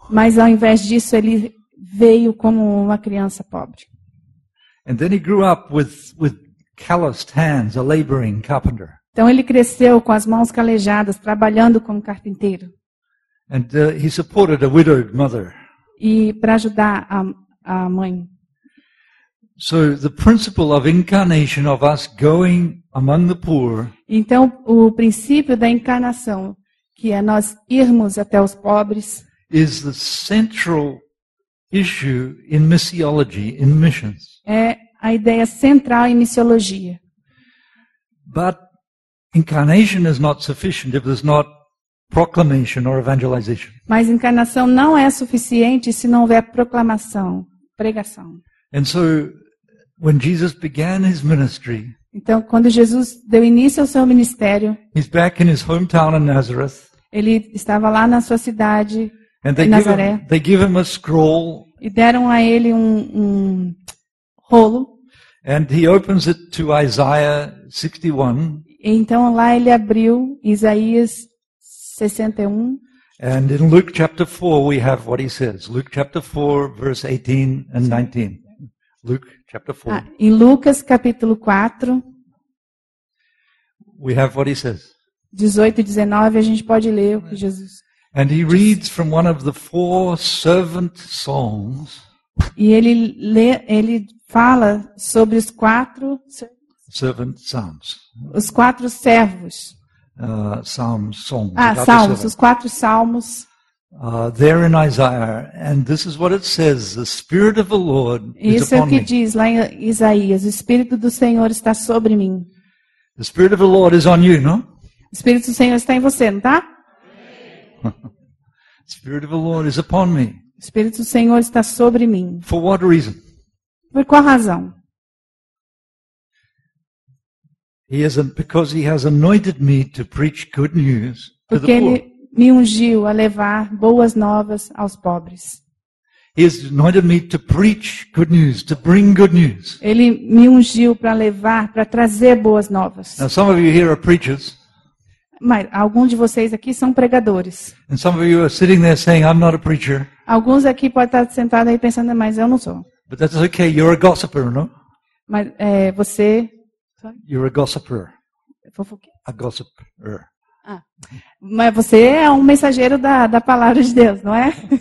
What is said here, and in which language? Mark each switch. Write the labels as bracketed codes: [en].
[pt] Mas ao invés disso ele veio como uma criança pobre. [en] And then he grew up with calloused hands, a laboring carpenter. [pt] Então ele cresceu com as mãos calejadas, trabalhando como carpinteiro. [en] And he supported a widowed mother. [pt] E para ajudar a mãe. [en] So the principle of incarnation of us going among the poor. [pt] Então o princípio da encarnação, que é nós irmos até os pobres, [en] is the central issue in missiology, in missions. [pt] É a ideia central em missiologia. [en] But incarnation is not sufficient if there's not proclamation or evangelization. [pt] Mas encarnação não é suficiente se não houver proclamação, pregação. [en] And so, when Jesus began his ministry, [pt] então, quando Jesus deu início ao seu ministério, [en] he's back in his hometown in Nazareth, [pt] ele estava lá na sua cidade, em Nazaré. [en] They give him a scroll, [pt] e deram a ele um rolo. [en] And he opens it to Isaiah 61. [pt] Então lá ele abriu Isaías 61. [en] And in Luke chapter 4 we have what he says. Luke chapter 4 verse 18 and 19. Luke chapter 4. [pt] Ah, em Lucas capítulo 4. [en] We have what he says. [pt] 18 e 19 a gente pode ler o que Jesus. [en] And he reads from one of the four servant songs. [pt] E ele lê, ele fala sobre os quatro [en] servant psalms. [pt] Os quatro servos. Salmos, os quatro salmos. [en] There in Isaiah, and this is what it says: the Spirit of the Lord is upon me. [pt] Isso é o que diz lá em Isaías: o Espírito do Senhor está sobre mim. [en] The Spirit of the Lord is on you, no? [pt] O Espírito do Senhor está em você, não tá? [en] The Spirit of the Lord is upon me. [pt] O Espírito do Senhor está sobre mim. [en] For what reason? [pt] Por qual razão? [en] He isn't because he has anointed me to preach good news to the poor. [pt] Porque ele me ungiu a levar boas novas aos pobres. [en] He has anointed me to preach good news, to bring good news. [pt] Ele me ungiu para levar, para trazer boas novas. [en] Now some of you here are preachers. [pt] Mas alguns de vocês aqui são pregadores. [en] And some of you are sitting there saying, I'm not a preacher. [pt] Alguns aqui podem estar sentados aí pensando, mas eu não sou. [en] But that's okay. You're a gossiper, no? [pt] Mas é, você. [en] You're a gossiper. [pt] Fofoqueiro. [en] A gossiper. Ah. [pt] Mas você é um mensageiro da palavra de Deus, não é?